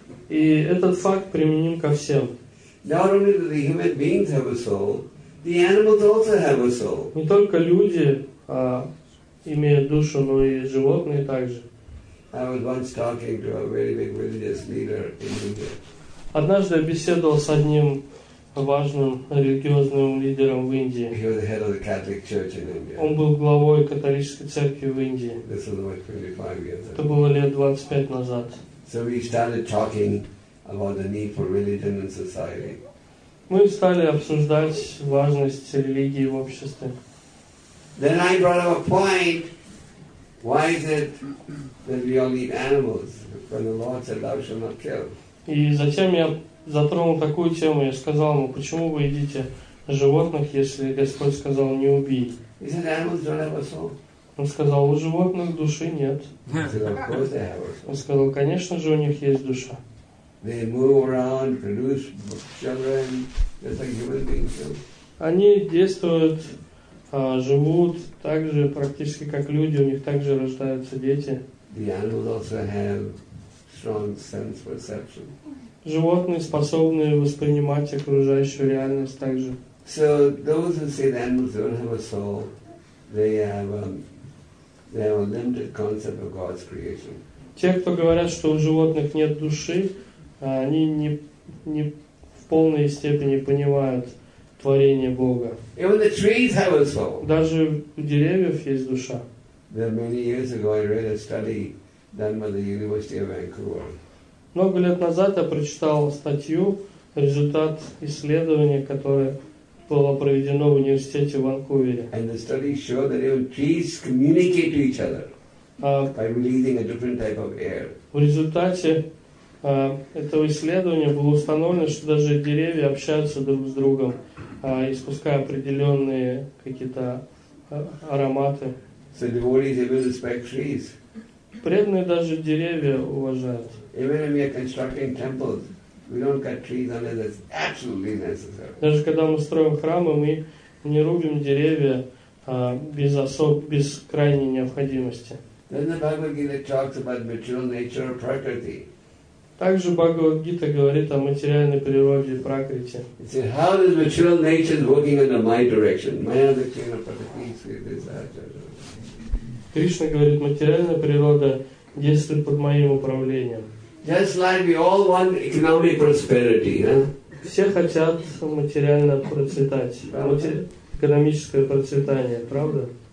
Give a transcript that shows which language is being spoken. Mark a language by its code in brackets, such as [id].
[ru] И этот факт применим ко всем. [en] Not only do the human beings have a soul, the animals also have a soul. [ru] Не только люди имеют душу, но и животные также. [en] I was once talking to a very big religious leader in India. [ru] Однажды я беседовал с одним важным религиозным лидером в Индии. [en] He was the head of the Catholic Church in India. [ru] Он был главой католической церкви в Индии. [en] This was about 25 years ago. [ru] Это было лет 25 назад. [en] So we started talking about the need for religion in society. [ru] Мы стали обсуждать важность религии в обществе. [en] Then I brought up a point. Why is it that we all need animals when the Lord said thou shalt not kill? [ru] И затем я затронул такую тему, я сказал ему, почему вы едите животных, если Господь сказал не убий? [en] He said, animals don't have a soul. [ru] Он сказал, у животных души нет. [en] He said, of course they have a soul. [ru] Он сказал, конечно же, у них есть душа. [en] They move around, produce children, just like human beings do. [ru] Они действуют, живут так же, практически как люди, у них также рождаются дети. [en] The animals also have strong sense perception. [ru] Животные способны воспринимать окружающую реальность также. [en] So those who say that animals don't have a soul, they have a limited concept of God's creation. [ru] Те, кто говорят, что у животных нет души, они не в полной степени понимают творение Бога. [en] Even the trees have a soul. [ru] Даже у деревьев есть душа. [en] There many years ago I read a study done by the University of Vancouver. [ru] Много лет назад я прочитал статью, результат исследования, которое было проведено в университете в Ванкувере. [en] And the study showed that even trees communicate to each other by releasing a different type of air. [ru] В результате этого исследования было установлено, что даже деревья общаются друг с другом, испуская определенные какие-то ароматы. [en] So devotees even respect trees. [ru] Преданные даже деревья уважают. [en] Even when we are constructing temples, we don't cut trees unless it's absolutely necessary. [ru] Даже когда мы строим храмы, мы не рубим деревья без крайней необходимости. [en] Then the Bhagavad Gita talks about material nature of prakriti. [ru] Также Бхагавад Гита говорит о материальной природе Пракрити. [en] It says, how is material nature working under my direction? My understanding of prakriti is desire. [ru] Кришна говорит, материальная природа действует под моим управлением. [en] Just like we all want economic prosperity, huh? [ru] Все хотят материально процветать, экономическое процветание, правда?